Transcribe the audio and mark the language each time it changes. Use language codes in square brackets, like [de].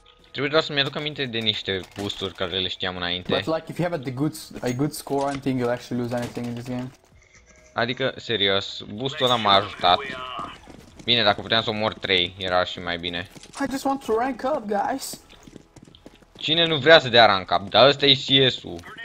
[ro] Trebuie doar să-mi aduc aminte de niște boost-uri care le știam înainte. [en] But like, if you have a good score, I don't think you'll actually lose anything in this game. [ro] Adică, serios, boost-ul ăla m-a ajutat. Bine, dacă puteam să omor 3, era și mai bine. [en] I just want to rank up, guys. [ro] Cine nu vrea să dea rank up? Dar ăsta e CS-ul.